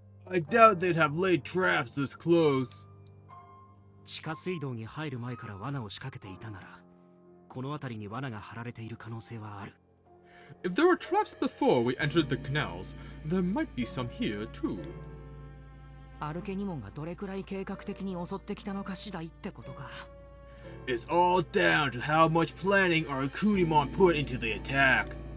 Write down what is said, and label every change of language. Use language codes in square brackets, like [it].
[en] I doubt they'd have laid traps this close. [ja] 地下水道に入る前から罠を仕掛けていたなら、この辺りに罠が張られている可能性はある。 [en] If there were traps before we entered the canals, there might be some here too. [ja] アルケニモンがどれくらい計画的に襲ってきたのか次第ってことか。 [en] It's all down to how much planning Arukunimon put into the attack.